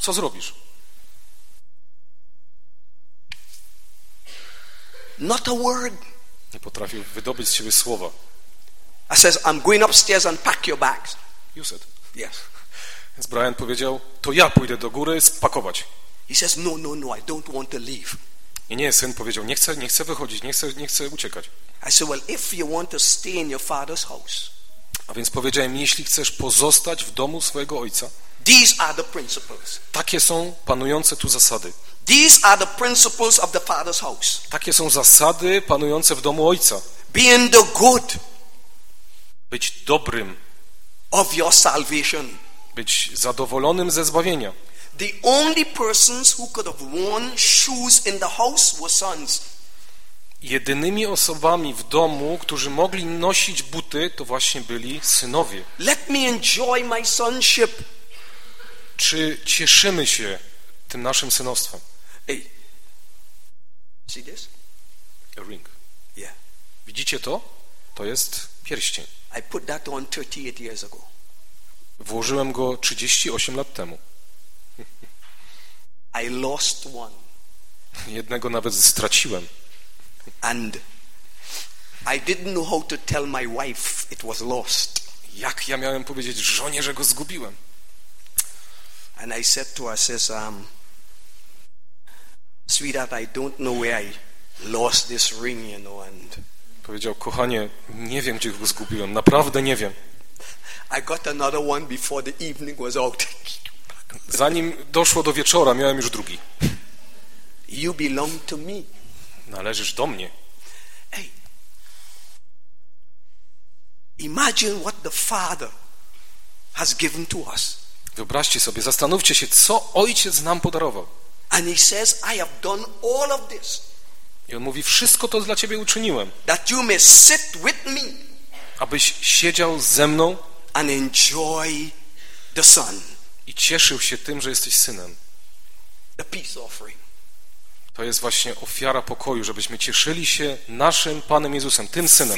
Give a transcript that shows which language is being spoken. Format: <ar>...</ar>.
<pl>Co zrobisz?</pl> <en>Not a word.</en> <pl>Nie potrafił wydobyć z siebie słowa.</pl> <en>I says, I'm going upstairs and pack your bags. You said. Yes.</en> <pl>Więc Brian powiedział, to ja pójdę do góry spakować.</pl> <en>He says, no, no, no, I don't want to leave.</en> <pl>I nie, syn powiedział, nie chcę wychodzić, nie chcę uciekać.</pl> <en>I said, well, if you want to stay in your father's house.</en> <pl>A więc powiedziałem, jeśli chcesz pozostać w domu swojego ojca.</pl> <en>These are the principles.</en> <pl>Takie są panujące tu zasady.</pl> <en>These are the principles of the father's house.</en> <pl>Takie są zasady panujące w domu ojca.</pl> <en>Being the good.</en> <pl>Być dobrym.</pl> <en>Of your salvation.</en> <pl>Być zadowolonym ze zbawienia.</pl> <en>The only persons who could have worn shoes in the house were sons.</en> <pl>Jedynymi osobami w domu, którzy mogli nosić buty, to właśnie byli synowie.</pl> <en>Let me enjoy my sonship.</en> <pl>Czy cieszymy się tym naszym synostwem?</pl> <en>Hey. See this? A ring. Yeah.</en> <pl>Widzicie to? To jest pierścień.</pl> <en>I put that on 38 years ago.</en> <pl>Włożyłem go 38 lat temu.</pl> <en>I lost one.</en> <pl>Jednego nawet straciłem.</pl> <en>And I didn't know how to tell my wife it was lost.</en> <pl>Jak ja miałem powiedzieć żonie, że go zgubiłem?</pl> <en>And I said to her, says, sweetheart, I don't know where I lost this ring, you know, and</en> <pl>powiedział, kochanie, nie wiem, gdzie go zgubiłem. Naprawdę nie wiem.</pl> <en>I got another one before the evening was out.</en> <pl>Zanim doszło do wieczora, miałem już drugi.</pl> <en>You belong to me.</en> <pl>Należysz do mnie.</pl> <en>Hey. Imagine what the father has given to us.</en> <pl>Wyobraźcie sobie, zastanówcie się, co ojciec nam podarował.</pl> <en>And he says, I have done all of this.</en> <pl>I on mówi, wszystko to dla ciebie uczyniłem.</pl> <en>That you may sit with me.</en> <pl>Abyś siedział ze mną.</pl> <en>And enjoy the son.</en> <pl>I cieszył się tym, że jesteś synem.</pl> <en>The peace offering.</en> <pl>To jest właśnie ofiara pokoju, żebyśmy cieszyli się naszym Panem Jezusem, tym Synem.</pl>